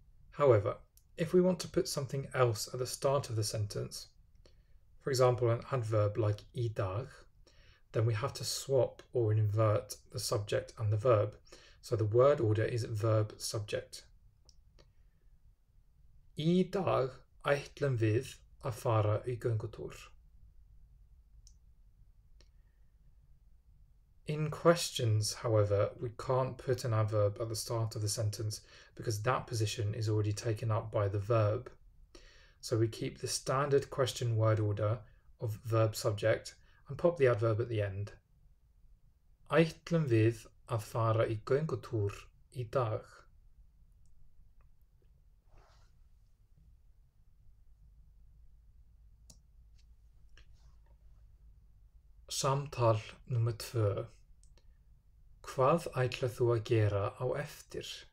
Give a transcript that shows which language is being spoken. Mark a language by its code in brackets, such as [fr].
[en] However, if we want to put something else at the start of the sentence, for example, an adverb like [is] í dag, [en] then we have to swap or invert the subject and the verb. So the word order is verb subject. [is] Í dag ætlum við að fara í göngutúr. [en] In questions, however, we can't put an adverb at the start of the sentence because that position is already taken up by the verb. So we keep the standard question word order of verb subject and pop the adverb at the end. [is] Ætlum við að fara í göngutúr í dag. Samtal nummer 2. Hvað ætlar þú að gera á eftir?